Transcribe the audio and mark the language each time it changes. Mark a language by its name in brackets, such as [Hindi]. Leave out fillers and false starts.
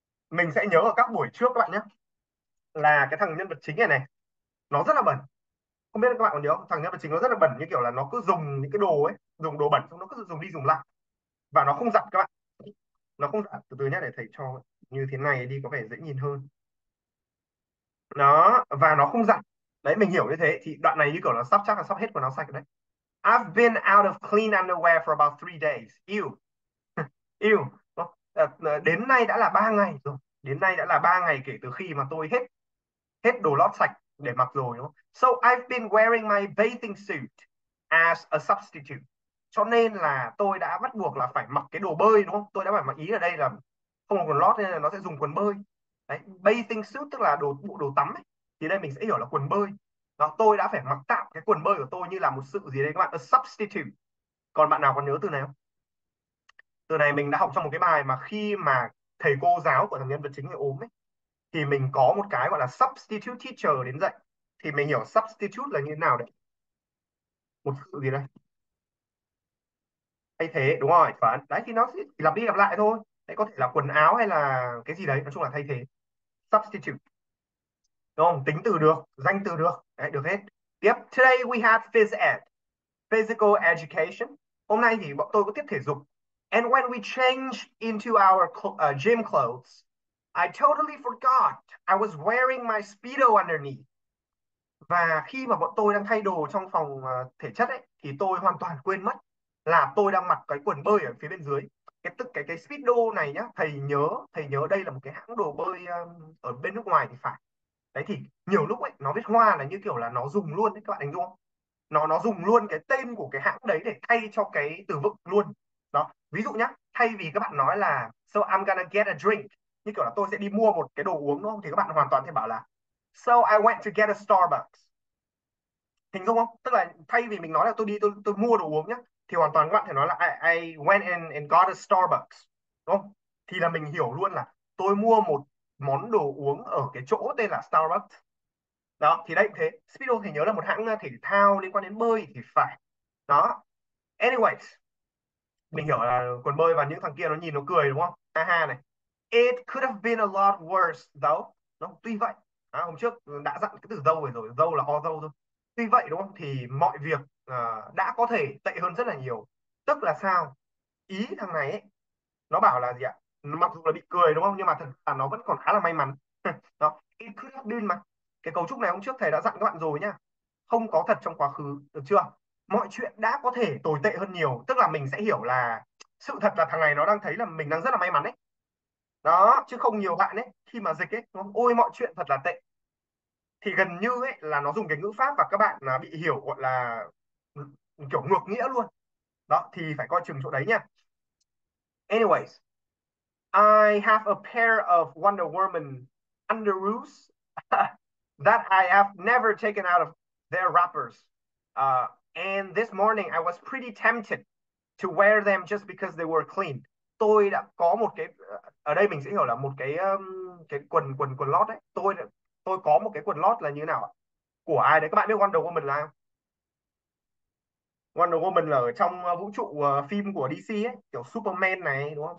[Vietnamese] Mình sẽ nhớ ở các buổi trước các bạn nhé, là cái thằng nhân vật chính này này nó rất là bẩn, không biết các bạn có nhớ không? Thằng nhân vật chính nó rất là bẩn, như kiểu là nó cứ dùng những cái đồ ấy, dùng đồ bẩn xong nó cứ dùng đi dùng lại và nó không giặt các bạn. Nó không giặt, từ từ nhé, để thầy cho như thế này đi có vẻ dễ nhìn hơn. Nó và nó không giặt. Đấy mình hiểu như thế thì đoạn này như kiểu là sắp chắc là sắp hết quần áo sạch đấy. [English] I've been out of clean underwear for about 3 days. [Vietnamese] Ew. Ew. Đến nay đã là 3 ngày rồi. Đến nay đã là 3 ngày kể từ khi mà tôi hết hết đồ lót sạch để mặc rồi đúng không? [English] So I've been wearing my bathing suit as a substitute. [Vietnamese] Cho nên là tôi đã bắt buộc là phải mặc cái đồ bơi đúng không? Tôi đã phải mặc, ý ở đây là không có quần lót nên là nó sẽ dùng quần bơi. Đấy, bathing suit tức là đồ bộ đồ tắm ấy. Thì đây mình sẽ hiểu là quần bơi. Đó, tôi đã phải mặc tạm cái quần bơi của tôi như là một sự gì đấy các bạn, [English] a substitute. [Vietnamese] Còn bạn nào còn nhớ từ này không? Từ này mình đã học trong một cái bài mà khi mà thầy cô giáo của thằng nhân vật chính ấy ốm ấy, thì mình có một cái gọi là substitute teacher đến dạy. Thì mình hiểu substitute là như thế nào đấy? Một sự gì đây? Thay thế đúng rồi, và đấy thì nó sẽ lặp đi lặp lại thôi, đấy có thể là quần áo hay là cái gì đấy, nói chung là thay thế, substitute đúng không, tính từ được, danh từ được, đấy được hết. Tiếp, [English] today we had phys ed, physical education, [Vietnamese] hôm nay thì bọn tôi có tiết thể dục. [English] And when we changed into our gym clothes I totally forgot I was wearing my speedo underneath. [Vietnamese] Và khi mà bọn tôi đang thay đồ trong phòng thể chất ấy thì tôi hoàn toàn quên mất là tôi đang mặc cái quần bơi ở phía bên dưới. Cái tức cái speedo này nhá, thầy nhớ đây là một cái hãng đồ bơi ở bên nước ngoài thì phải. Đấy thì nhiều lúc ấy nó viết hoa là như kiểu là nó dùng luôn đấy các bạn anh đúng không? Nó dùng luôn cái tên của cái hãng đấy để thay cho cái từ vựng luôn. Đó, ví dụ nhá, thay vì các bạn nói là [English] so I'm gonna get a drink, [Vietnamese] như kiểu là tôi sẽ đi mua một cái đồ uống đúng không, thì các bạn hoàn toàn thể bảo là [English] so I went to get a Starbucks. [Vietnamese] Hình dung không? Tức là thay vì mình nói là tôi mua đồ uống nhá, thì hoàn toàn các bạn thể nói là [English] I went and got a Starbucks, [Vietnamese] đúng không? Thì là mình hiểu luôn là tôi mua một món đồ uống ở cái chỗ tên là Starbucks. Đó, thì đấy cũng thế. Speedo thì nhớ là một hãng thể thao liên quan đến bơi thì phải. Đó. [English] Anyways, [Vietnamese] mình hiểu là quần bơi và những thằng kia nó nhìn nó cười đúng không? Ha ha này. [English] It could have been a lot worse though. [Vietnamese] Đó, tuy vậy. À, hôm trước đã dặn cái từ though rồi, though là although thôi. Tuy vậy đúng không? Thì mọi việc đã có thể tệ hơn rất là nhiều. Tức là sao? Ý thằng này ấy, nó bảo là gì ạ? Mặc dù là bị cười đúng không? Nhưng mà thật là nó vẫn còn khá là may mắn. Đó, [English] it could have been [Vietnamese] mà. Cái cấu trúc này hôm trước thầy đã dặn các bạn rồi nhá. Không có thật trong quá khứ, được chưa? Mọi chuyện đã có thể tồi tệ hơn nhiều. Tức là mình sẽ hiểu là sự thật là thằng này nó đang thấy là mình đang rất là may mắn ấy. Đó, chứ không nhiều bạn ấy khi mà dịch ấy, đúng không? Ôi mọi chuyện thật là tệ. Thì gần như ấy là nó dùng cái ngữ pháp và các bạn là bị hiểu gọi là kiểu ngược nghĩa luôn. Đó, thì phải coi chừng chỗ đấy nha. [English] Anyways, I have a pair of Wonder Woman underoos that I have never taken out of their wrappers. And this morning I was pretty tempted to wear them just because they were clean. [Vietnamese] Tôi đã có một cái, ở đây mình sẽ hiểu là một cái quần quần quần lót đấy. Tôi có một cái quần lót là như nào ạ? Của ai đấy? Các bạn biết Wonder Woman là không? Wonder Woman là ở trong vũ trụ phim của DC ấy, kiểu Superman này đúng không?